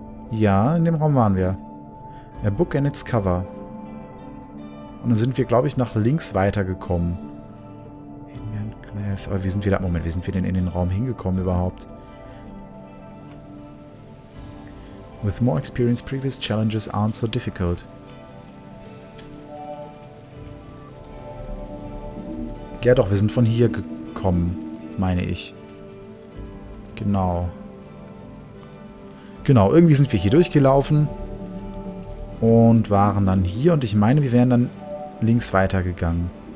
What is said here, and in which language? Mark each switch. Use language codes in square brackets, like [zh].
[de] Ja, in dem Raum waren wir. [en] A book and its cover. [de] Und dann sind wir, glaube ich, nach links weitergekommen. Aber wie sind wir da? Moment, wie sind wir denn in den Raum hingekommen überhaupt? [en] With more experience, previous challenges aren't so difficult. [de] Ja doch, wir sind von hier gekommen, meine ich. Genau. Genau, irgendwie sind wir hier durchgelaufen. Und waren dann hier. Und ich meine, wir wären dann links weitergegangen.